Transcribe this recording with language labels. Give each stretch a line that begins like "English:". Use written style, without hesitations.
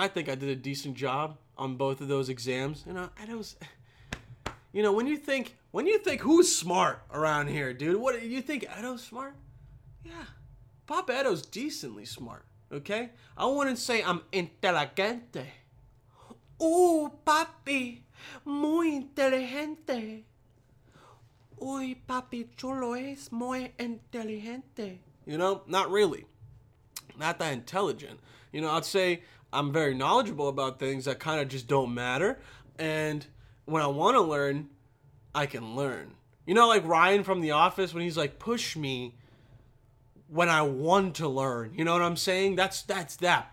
English: I think I did a decent job on both of those exams. You know, and I was... You know, when you think who's smart around here, dude? What, you think Edo's smart? Yeah. Pop Edo's decently smart, okay? I wouldn't say I'm
Spanish: inteligente. Ooh, papi, muy inteligente. Uy, papi, chulo es muy inteligente.
English: You know, not really. Not that intelligent. You know, I'd say I'm very knowledgeable about things that kind of just don't matter. And when I want to learn, I can learn. You know, like Ryan from The Office, when he's like, push me when I want to learn. You know what I'm saying? That's that.